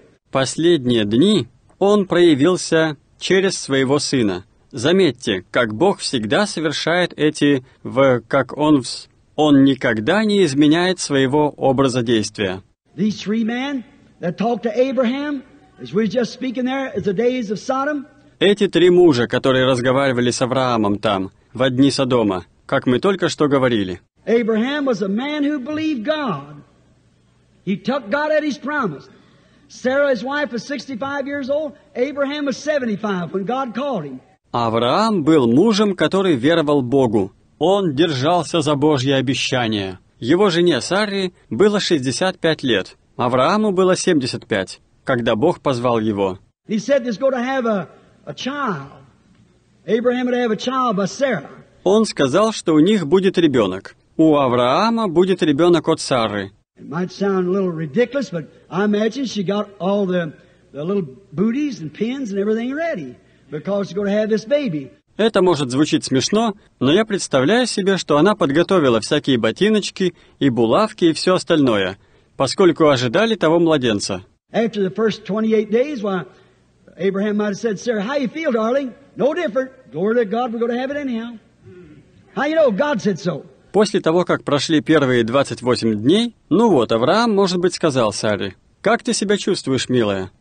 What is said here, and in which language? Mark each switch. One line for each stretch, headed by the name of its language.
Russian: Последние дни Он проявился через Своего Сына. Заметьте, как Бог всегда совершает эти «в как Он вс...» Он никогда не изменяет Своего образа действия.
English: These three men that talked to Abraham, as we were just speaking there, in the days of Sodom.
Russian: Эти три мужа, которые разговаривали с Авраамом там, в дни Содома, как мы только что говорили.
English: Abraham was a man who believed God. He took God at His promise. Sarah, his wife, was 65 years old. Abraham was 75 when God called him.
Russian: Авраам был мужем, который веровал Богу. Он держался за Божье обещание. Его жене Саре было 65 лет. Аврааму было 75, когда Бог позвал его.
English: He said he's going to have a child. Abraham would have a child by Sarah.
Russian: Он сказал, что у них будет ребенок. У Авраама будет ребенок от Сары.
English: It might sound a little ridiculous, but I imagine she got all the little booties and pins and everything ready because she's going to have this baby.
Russian: Это может звучить смешно, но я представляю себе, что она подготовила всякие ботиночки и булавки и все остальное, поскольку ожидали того младенца.
English: After the first 28 days, why, Abraham might have said, Sarah, how you feel, darling? No different. Glory to God, we're going to have it anyhow. How you know God said so?
Russian: После того, как прошли первые 28 дней, ну вот, Авраам, может быть, сказал Саре, «Как ты себя чувствуешь, милая?